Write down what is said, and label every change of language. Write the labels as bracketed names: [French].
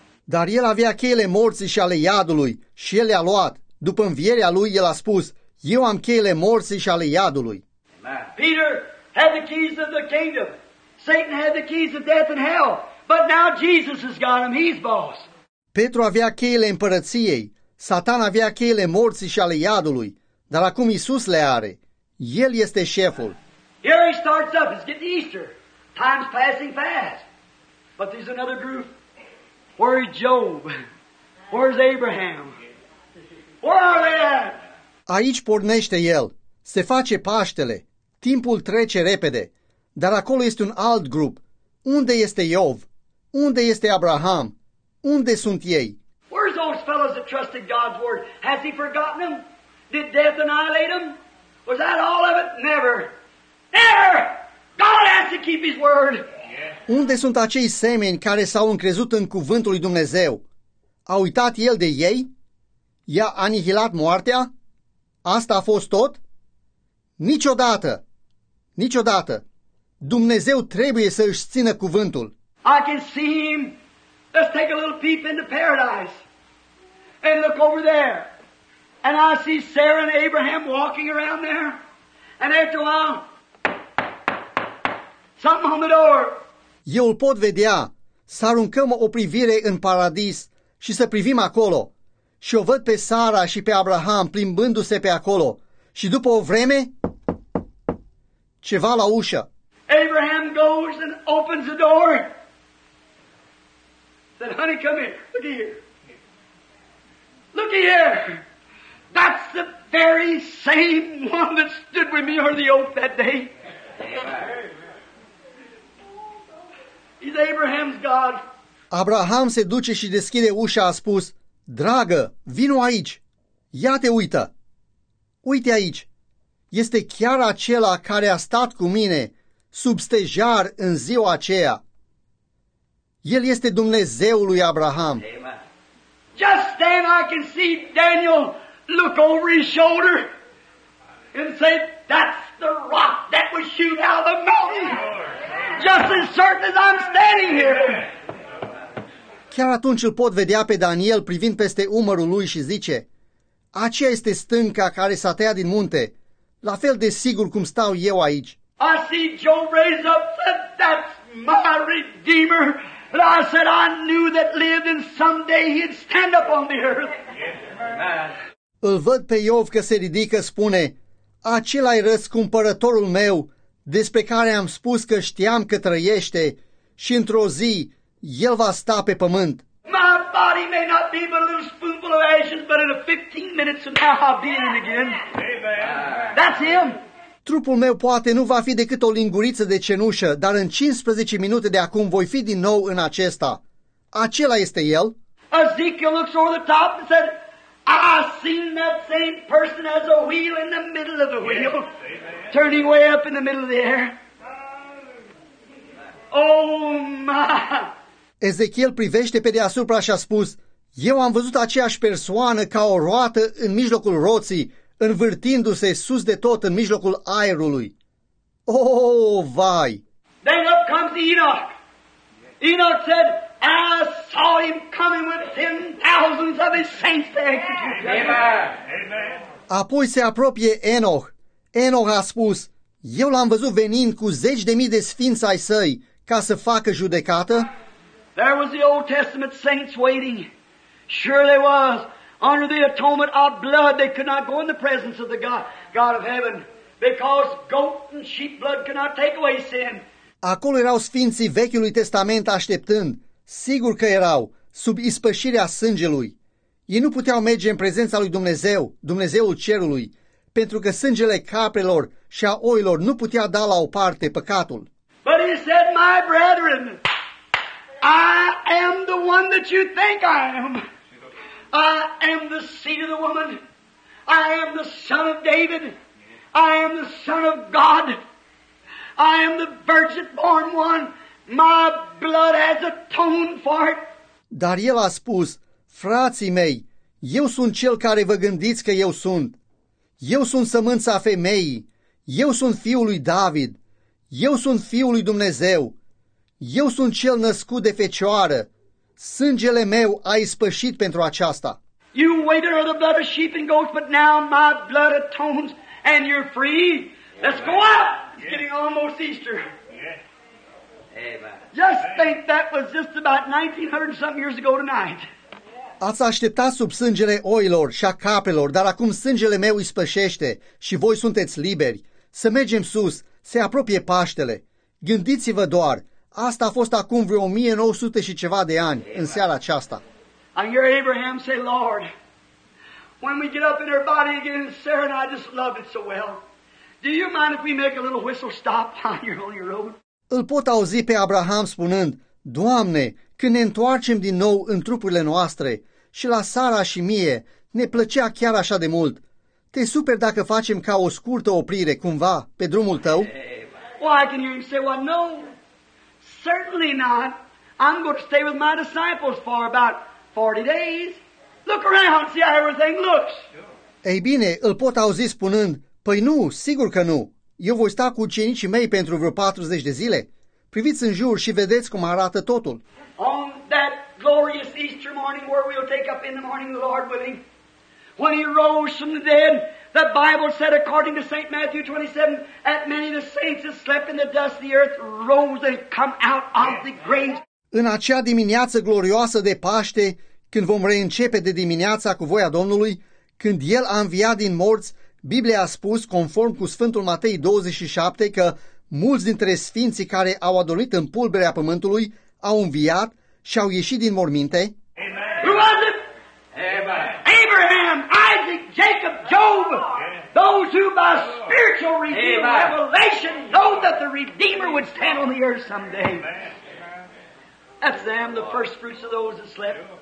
[Romanian] Dar el avea cheile morții și ale iadului și el le-a luat. După învierea lui, el a spus, eu am cheile morții și ale iadului. [English] Peter had the keys of the kingdom. Satan had the keys of death and hell. But now Jesus has got them. He's boss. [Romanian] Petru avea cheile împărăției, Satan avea cheile morții și ale iadului, dar acum Iisus le are. El este șeful. [English] Here he starts up, it's getting Easter. Time's passing fast. But there's another group. Where is Job? Where is Abraham? Where are they at? [Romanian] Aici pornește el. Se face Paștele. Timpul trece repede. Dar acolo este un alt grup. Unde este Iov? Unde este Abraham? Unde sunt ei? [English] Where's those fellows that trusted God's word? Has he forgotten them? Did death annihilate them? Was that all of it? Never. Never! God has to keep his word. Yeah. [Romanian] Unde sunt acei semeni care s-au încrezut în cuvântul lui Dumnezeu? A uitat el de ei? I-a anihilat moartea? Asta a fost tot? Niciodată! Niciodată! Dumnezeu trebuie să își țină cuvântul. [English] I can see him. Let's take a little peep into paradise and look over there. And I see Sarah and Abraham walking around there. And after a while, something on the door. [Romanian] Eu îl pot vedea. Să aruncăm o privire în paradis și să privim acolo. Și o văd pe Sara și pe Abraham plimbându-se pe acolo. Și după o vreme, ceva la ușă. [English] Abraham goes and opens the door. Said, honey, come here. Look here. Look here. That's the very same one that stood with me under the oak that day. He's Abraham's God. [Romanian] Abraham se duce și deschide ușa, a spus, dragă, vino aici. Ia-te, uită. Uite aici. Este chiar acela care a stat cu mine sub stejar în ziua aceea. El este Dumnezeul lui Abraham. [English] Amen. Just then I can see Daniel look over his shoulder and say, that's the rock that was hewn out of the mountain. Just as certain as I'm standing here. [Romanian] Chiar atunci îl pot vedea pe Daniel privind peste umărul lui și zice, aceea este stânca care s-a tăiat din munte, la fel de sigur cum stau eu aici. [English] I see Job raise up, said, that's my Redeemer. But I said, I knew that lived and someday he'd stand up on the earth. [Romanian] Îl văd pe Iov că se ridică, spune, acela-i răscumpărătorul meu, despre care am spus că știam că trăiește și într-o zi el va sta pe pământ. [English] My body may not be but a little spoonful of ashes, but in 15 minutes from now I'll be in it again. Amen. That's him. [Romanian] Trupul meu poate nu va fi decât o linguriță de cenușă, dar în 15 minute de acum voi fi din nou în acesta. Acela este el. [English] Ezekiel looks over the top and said, I've seen that same person as a wheel in the middle of the wheel. Yes. Turning way up in the middle of the air. Oh my! [Romanian] Ezekiel privește pe deasupra și a spus, eu am văzut aceeași persoană ca o roată în mijlocul roții, învârtindu-se sus de tot în mijlocul aerului. Oh, vai! [English] Then up comes Enoch. Enoch said, I saw him coming with 10,000 of his saints to execute. Amen. [Romanian] Apoi se apropie Enoch. Enoch a spus, eu l-am văzut venind cu 10,000 de sfinți ai săi ca să facă judecată. [English] There was the Old Testament saints waiting. Sure there was. Under the atonement of blood, they could not go in the presence of the God of heaven. because goat and sheep blood cannot take away sin. [Romanian] Acolo erau sfinții Vechiului Testament așteptând. Sigur că erau sub ispășirea sângelui. Ei nu puteau merge în prezența lui Dumnezeu, Dumnezeul cerului, pentru că sângele caprelor și a oilor nu putea da la o parte păcatul. [English] But he said, my brethren, I am the one that you think I am. I am the seed of the woman. I am the son of David. I am the son of God. I am the virgin born one. My blood has atoned for it. [Romanian] Dar el a spus, frații mei, eu sunt cel care vă gândiți că eu sunt. Eu sunt sămânța femeii. Eu sunt fiul lui David. Eu sunt fiul lui Dumnezeu. Eu sunt cel născut de fecioară. Sângele meu a ispășit pentru aceasta. [English] You waited on the blood of sheep and goats, but now my blood atones and you're free. Let's go out. It's getting almost Easter. Just think that was just about 1900 something years ago tonight. [Romanian] Ați așteptat sub sângele oilor și a caprelor, dar acum sângele meu ispășește și voi sunteți liberi. Să mergem sus, se apropie Paștele. Gândiți-vă doar, asta a fost acum vreo 1900 și ceva de ani, în seara aceasta. [English] I hear Abraham say, Lord, when we get up in our body again, Sarah and I just loved it so well. Do you mind if we make a little whistle stop while you're on your road? [Romanian] Îl pot auzi pe Abraham spunând, Doamne, când ne întoarcem din nou în trupurile noastre și la Sara și mie, ne plăcea chiar așa de mult. Te super dacă facem ca o scurtă oprire, cumva, pe drumul tău? [English] Well, I can hear him say, well, no, certainly not. I'm going to stay with my disciples for about 40 days. Look around, see how everything looks. [Romanian] Ei bine, îl pot auzi spunând, păi nu, sigur că nu. Eu voi sta cu ucenicii mei pentru vreo 40 de zile. Priviți în jur și vedeți cum arată totul. [English] On that glorious Easter morning where we'll take up in the morning the Lord willing, when he rose from the dead, the Bible said according to St. Matthew 27, that many of the saints that slept in the dust of the earth rose and come out of the grave. [Romanian] În acea dimineață glorioasă de Paște, când vom reîncepe de dimineața cu voia Domnului, când El a înviat din morți, Biblia a spus, conform cu Sfântul Matei 27, că mulți dintre sfinții care au adormit în pulberea pământului au înviat și au ieșit din morminte. [English] Who was it? Abraham, Isaac, Jacob, Job. Those who by spiritual revelation know that the Redeemer would stand on the earth someday. That's them, the first fruits of those that slept.